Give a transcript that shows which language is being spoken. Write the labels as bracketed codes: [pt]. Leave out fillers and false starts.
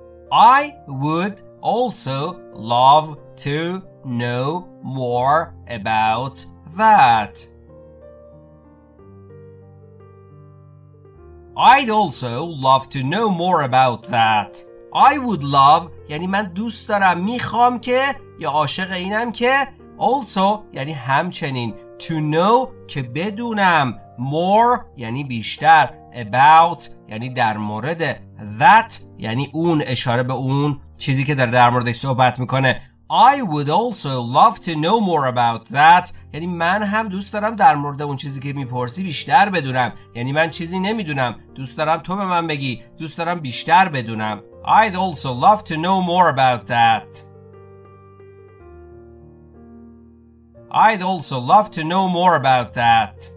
[en] I would also love to know more about that. I'd also love to know more about that. I would love [fa] یعنی من دوست دارم، میخوام که، یا عاشق اینم که. Also یعنی همچنین، [en] to know [fa] که بدونم، more یعنی بیشتر، about یعنی در مورد، that یعنی اون، اشاره به اون چیزی که داره در موردش صحبت میکنه. [en] I would also love to know more about that [fa] یعنی من هم دوست دارم در مورد اون چیزی که میپرسی بیشتر بدونم، یعنی من چیزی نمیدونم، دوست دارم تو به من بگی، دوست دارم بیشتر بدونم. [en] I'd also love to know more about that. I'd also love to know more about that.